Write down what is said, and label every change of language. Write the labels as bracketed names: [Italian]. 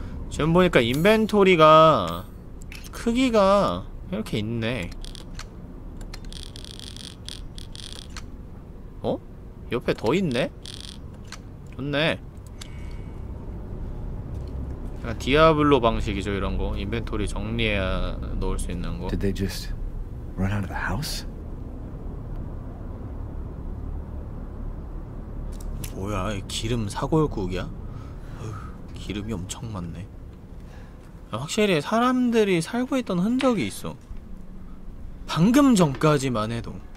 [Korean] 지금 보니까 인벤토리가 크기가 이렇게 있네. 어? 옆에 더 있네? 좋네. 약간 디아블로 방식이죠, 이런 거. 인벤토리 정리해야 넣을 수 있는 거. [English] Did they just run out of the house? [Korean] 뭐야, 이 기름 사골국이야? 어휴, 기름이 엄청 많네. 확실히 사람들이 살고 있던 흔적이 있어. 방금 전까지만 해도.